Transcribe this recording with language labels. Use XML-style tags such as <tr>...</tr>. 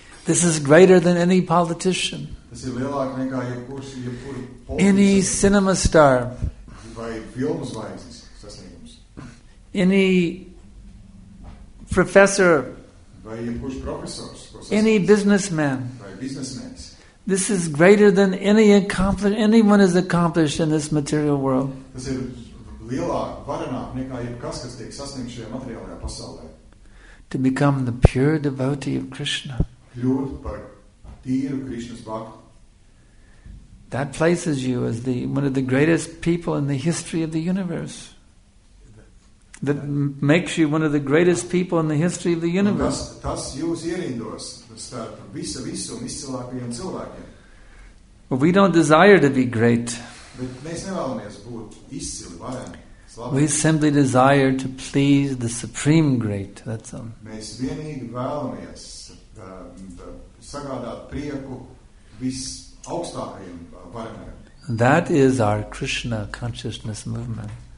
<en>This is greater than any politician.</en> <lv>Tas ir lielāk nekā jebkurš, jebkuru politiķis.</lv> <en>Any cinema star.</en> <lv>Vai filmu zvaigznes sasniegums.</lv> <en>Any professor.</en> <lv>Vai jebkurš profesors.</lv> <en>Any businessman.</en> <lv>Vai biznesmenis.</lv> <en>This is greater than any anyone has accomplished in this material world.</en> <lv>Tas ir lielāk, varenāk nekā jebkas, kas tiek sasniegts šajā materiālajā pasaulē.</lv> <en>To become the pure devotee of Krishna.</en> <lv>Kļūt par tīru Krishnas bhakti.</lv> <en>That places you as the one of the greatest people in the history of the universe. That makes you one of the greatest people in the history of the universe.</en> <lv>Tas jūs ierindos starp visiem izcilākajiem cilvēkiem.</lv> <en>We don't desire to be great.</en> <lv>Bet mēs nevēlamies būt izcili, vareni.</lv> <en>We simply desire to please the supreme great. That's all.</en> <lv>Mēs vienīgi vēlamies sagādāt prieku visaugstākajiem vareniem.</lv> <en>That is our Krishna consciousness movement.</en>